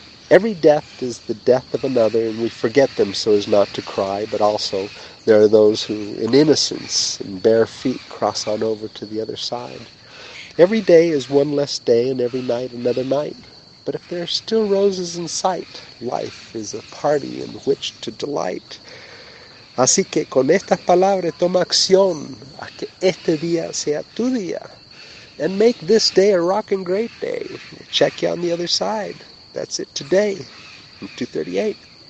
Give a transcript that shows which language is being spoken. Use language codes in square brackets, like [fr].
[en] Every death is the death of another, and we forget them so as not to cry, but also there are those who, in innocence and bare feet, cross on over to the other side. Every day is one less day, and every night another night. But if there are still roses in sight, life is a party in which to delight. [es] Así que con estas palabras toma acción, a que este día sea tu día. [en] And make this day a rockin' great day. Check you on the other side. That's it today, 2:38.